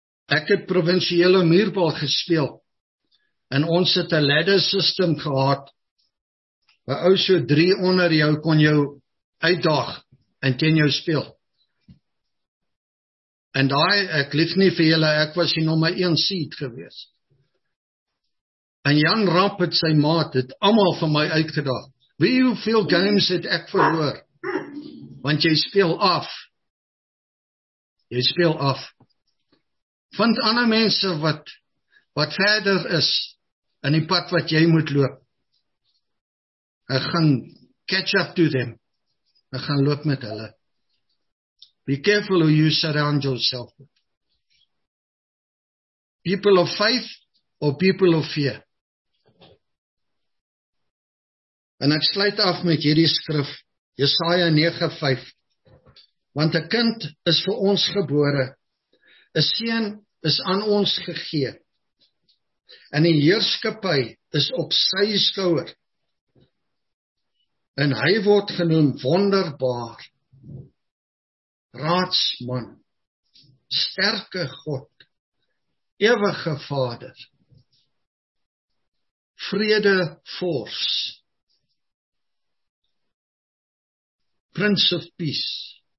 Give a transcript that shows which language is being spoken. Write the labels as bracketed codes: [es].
[af] Ek het provinsiële muurbal gespeel en ons het 'n [en] ladder system [af] gehad waar ou so 3 onder jou kon jou uitdaag en teen jou speel. En daai, ek lief nie vir julle, ek was die nommer 1 seed gewees. En Jan Rapp het sy maat, het allemaal van my uitgedaag. Weet jy hoeveel games het ek verloor? Want jy speel af. Jy speel af. Vind ander mense wat verder is in die pad wat jy moet loop. Ek gaan [en] catch up to them. [af] Ek gaan loop met hulle. [en] Be careful who you surround yourself with. People of faith or people of fear. [af] En ek sluit af met hierdie skrif, Jesaja 9:5. Want 'n kind is vir ons gebore, 'n seun is aan ons gegee, en die heerskappy is op sy skouer, en hy word genoem wonderbaar, raadsman, sterke God, ewige Vader, vrede vors, [en] Prince of Peace.